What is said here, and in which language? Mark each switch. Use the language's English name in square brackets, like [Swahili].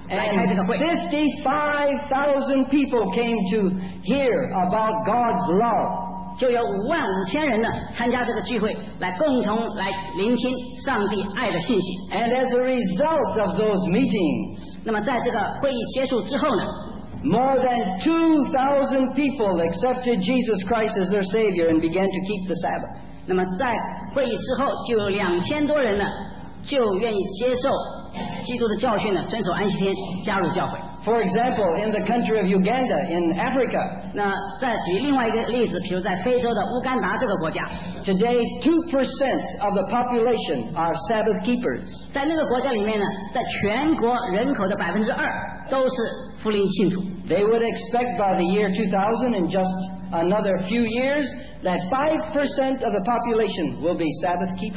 [English] And 55,000 people came to hear about God's love. [Chinese] 就有55,000人呢参加这个聚会，来共同来聆听上帝爱的信息。 [English] And as a result of those meetings, [Chinese] 那么在这个会议结束之后呢， [English] more than 2,000 people accepted Jesus Christ as their Savior and began to keep the Sabbath. [Chinese] 那么在会议之后，就有2,000多人呢就愿意接受。基督的教训呢，遵守安息天，加入教会。 [English] For example, in the country of Uganda in Africa, [Chinese] 那再举另外一个例子，比如在非洲的乌干达这个国家。 [English] Today, 2% of the population are Sabbath keepers. [Chinese] 在那个国家里面呢，在全国人口的2%都是福音信徒。 [English] They would expect by the year 2000, in just another few years, that 5% of the population will be Sabbath keepers.